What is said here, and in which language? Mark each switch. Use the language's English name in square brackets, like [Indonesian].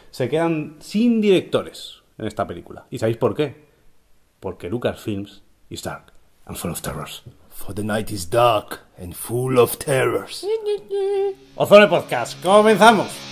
[Spanish] Se quedan sin directores en esta película. ¿Y sabéis por qué? [English] Porque Lucasfilms is dark and full of terrors. For the night is dark and full of terrors. [Spanish] Ozone Podcast, ¡comenzamos!